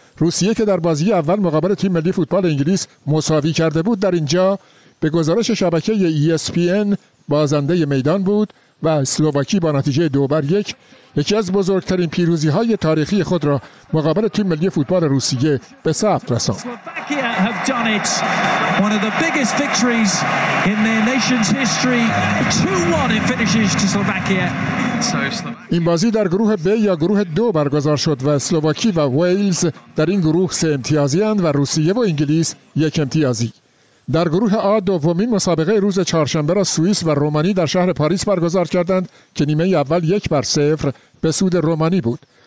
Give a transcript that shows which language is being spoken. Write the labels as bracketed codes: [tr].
[fa] روسیه که در بازی اول مقابل تیم ملی فوتبال انگلیس مساوی کرده بود، در اینجا به گزارش شبکه ESPN بازنده میدان بود و اسلوواکی با نتیجه 2-1 یکی از بزرگترین پیروزی‌های تاریخی خود را مقابل تیم ملی فوتبال روسیه به ثبت رساند. [en] One of the biggest victories in their nation's history. 2-1 it finishes to Slovakia. [fa] این بازی در گروه B یا گروه 2 برگزار شد و اسلوواکی و ویلز در این گروه 3 امتیازی اند و روسیه و انگلیس 1 امتیازی. در گروه آ دومین مسابقه روز چهارشنبه را سوئیس و رومانی در شهر پاریس برگزار کردند که نیمه اول 1-0 به سود رومانی بود.